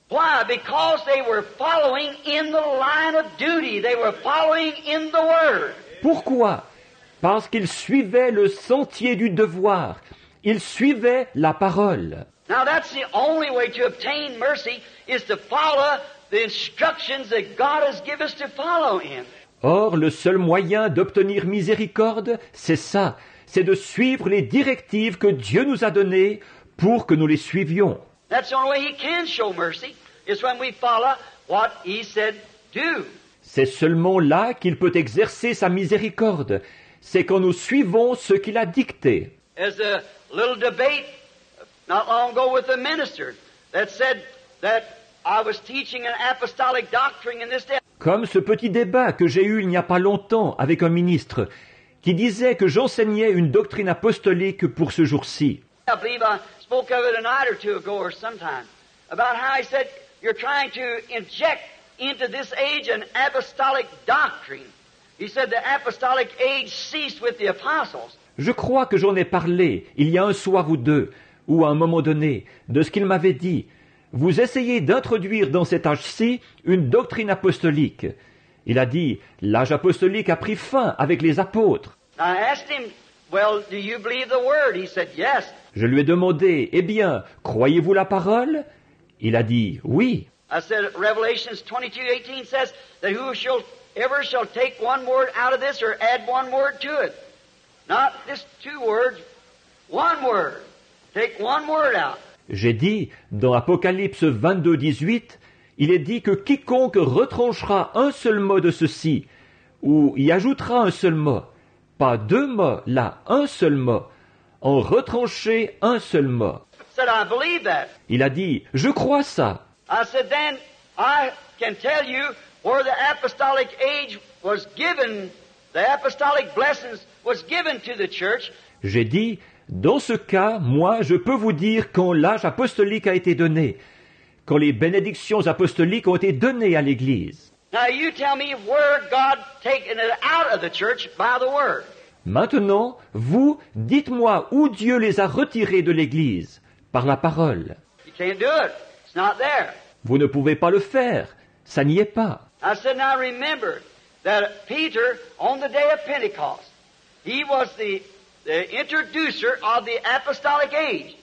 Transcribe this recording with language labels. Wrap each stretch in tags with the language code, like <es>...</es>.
<en>Why? Because they were following in the line of duty. They were following in the word.</en> <fr>Pourquoi? Parce qu'ils suivaient le sentier du devoir. Ils suivaient la parole.</fr> <en>Now that's the only way to obtain mercy is to follow the instructions that God has given us to follow him.</en> <fr>Or, le seul moyen d'obtenir miséricorde, c'est ça. C'est de suivre les directives que Dieu nous a données pour que nous les suivions.</fr> <en>That's the only way he can show mercy, is when we follow what he said do.</en> <fr>C'est seulement là qu'il peut exercer sa miséricorde. C'est quand nous suivons ce qu'il a dicté.</fr> <en>As a little debate not long ago with a minister that said that I was teaching an apostolic doctrine in this day.</en> <fr>Comme ce petit débat que j'ai eu il n'y a pas longtemps avec un ministre qui disait que j'enseignais une doctrine apostolique pour ce jour-ci.</fr> <en>I believe I spoke of it a night or two ago or sometime about how I said you're trying to inject into this age an apostolic doctrine. He said the apostolic age ceased with the apostles.</en> <fr>Je crois que j'en ai parlé il y a un soir ou deux, ou à un moment donné, de ce qu'il m'avait dit. Vous essayez d'introduire dans cet âge-ci une doctrine apostolique. Il a dit, l'âge apostolique a pris fin avec les apôtres.</fr> <en>I asked him, well, do you believe the word? He said, yes.</en> <fr>Je lui ai demandé, eh bien, croyez-vous la parole? Il a dit, oui.</fr> <en>I said, Revelations 22:18 says that who shall ever shall take one word out of this or add one word to it. Not this two words, one word. Take one word out.</en> <fr>J'ai dit, dans Apocalypse 22:18, il est dit que quiconque retranchera un seul mot de ceci, ou y ajoutera un seul mot, pas deux mots, là, un seul mot, en retrancher un seul mot.</fr> <en>Said, I believe that.</en> <fr>Il a dit, je crois ça.</fr> <en>I said, then I can tell you where the apostolic age was given, the apostolic blessings was given to the church.</en> <fr>J'ai dit, dans ce cas, moi, je peux vous dire quand l'âge apostolique a été donné, quand les bénédictions apostoliques ont été données à l'Église.</fr> <en>Now you tell me where God taken it out of the church by the word.</en> <fr>Maintenant, vous, dites-moi où Dieu les a retirés de l'Église, par la parole.</fr> <en>You can't do it. It's not there.</en> <fr>Vous ne pouvez pas le faire. Ça n'y est pas.</fr> <en>I said, now remember, that Peter, on the day of Pentecost, he was the introducer of the apostolic age.</en>